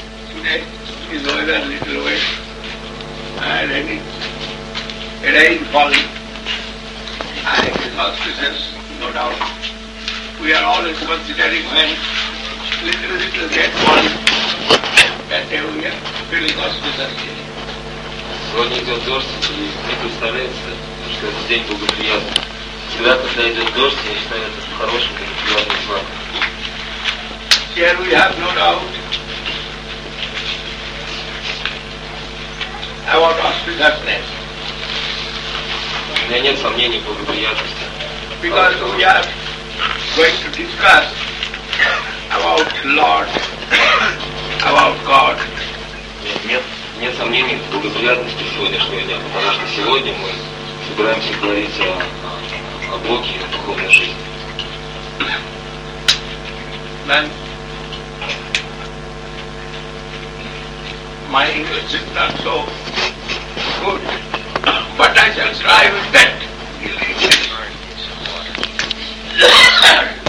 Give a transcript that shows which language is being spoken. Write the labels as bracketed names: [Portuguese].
[English] Today is over a little way. And any rain falling, and it is auspicious, no doubt. We are always considering when little rain falling, that day we are feeling auspicious. [Russian] Сегодня идет дождь, и никто старается, потому что этот день благоприятный. Всегда, когда идет дождь, я считаю это хорошим, как приятным знаком. [English] Here we have no doubt. I want auspiciousness. [Russian] У меня нет сомнений по благоприятности. [English] Because we are going to discuss about Lord, about God. [Russian] Нет сомнений в благоприятности сегодняшнего дня, потому что сегодня мы собираемся говорить о Боге и о духовной жизни. [English] Then my English is not so good, but I shall try with that.